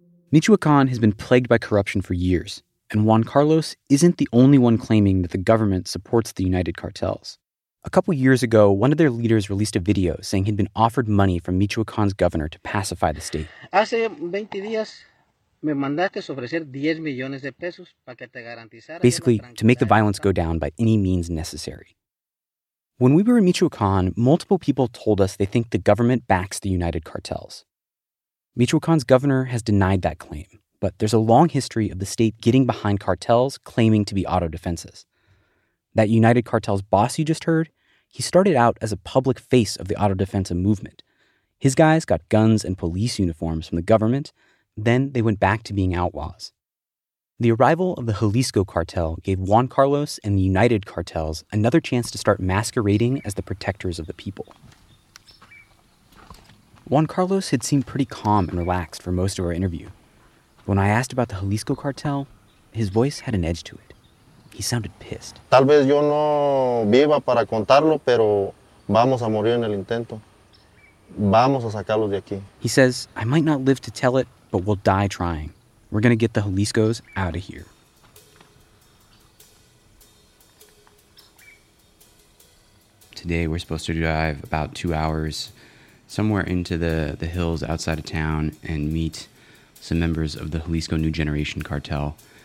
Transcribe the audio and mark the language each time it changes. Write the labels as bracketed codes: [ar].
[en] Michoacán has been plagued by corruption for years, and Juan Carlos isn't the only one claiming that the government supports the United Cartels. A couple years ago, one of their leaders released a video saying he'd been offered money from Michoacán's governor to pacify the state. [es] Hace 20 días. Me mandaste ofrecer 10 millones de pesos para que te garantizara. [en] Basically, to make the violence go down by any means necessary. When we were in Michoacán, multiple people told us they think the government backs the United Cartels. Michoacán's governor has denied that claim, but there's a long history of the state getting behind cartels claiming to be autodefenses. That United Cartels boss you just heard, he started out as a public face of the autodefensa movement. His guys got guns and police uniforms from the government. Then they went back to being outlaws. The arrival of the Jalisco cartel gave Juan Carlos and the United Cartels another chance to start masquerading as the protectors of the people. Juan Carlos had seemed pretty calm and relaxed for most of our interview. But when I asked about the Jalisco cartel, his voice had an edge to it. He sounded pissed. [es] Tal vez yo no viva para contarlo, pero vamos a morir en el intento. Vamos a sacarlos de aquí. [en] He says, I might not live to tell it, but we'll die trying. We're going to get the Jaliscos out of here. Today, we're supposed to drive about 2 hours somewhere into the hills outside of town and meet some members of the Jalisco New Generation Cartel.